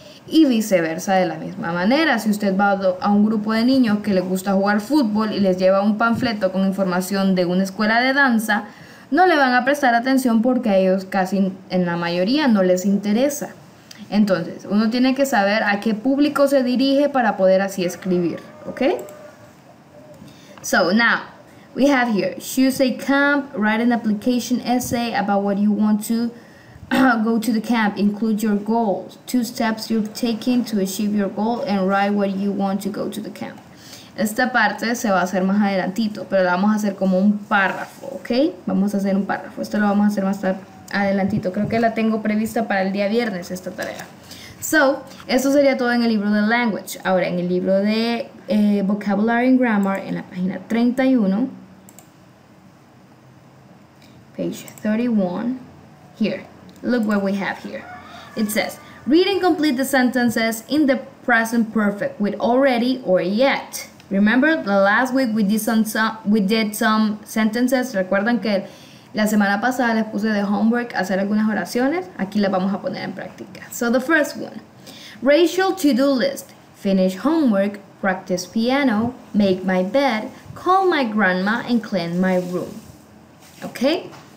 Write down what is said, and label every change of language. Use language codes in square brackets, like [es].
[es] Y viceversa de la misma manera, si usted va a un grupo de niños que les gusta jugar fútbol y les lleva un panfleto con información de una escuela de danza, no le van a prestar atención porque a ellos casi en la mayoría no les interesa. Entonces, uno tiene que saber a qué público se dirige para poder así escribir, ¿ok? [en] So, now, we have here, choose a camp, write an application essay about what you want to go to the camp, include your goals, two steps you've taken to achieve your goal, and write what you want to go to the camp. [es] Esta parte se va a hacer más adelantito, pero la vamos a hacer como un párrafo, ¿ok? Vamos a hacer un párrafo, esto lo vamos a hacer más adelantito. Creo que la tengo prevista para el día viernes, esta tarea. So, esto sería todo en el libro de Language. Ahora, en el libro de Vocabulary and Grammar, en la página 31, [en] page 31, here, look what we have here. It says, read and complete the sentences in the present perfect with already or yet. Remember, the last week we did some sentences. [es] ¿Recuerdan que la semana pasada les puse de homework hacer algunas oraciones? Aquí las vamos a poner en práctica. [en] So the first one. Rachel to-do list. Finish homework, practice piano, make my bed, call my grandma and clean my room. Okay?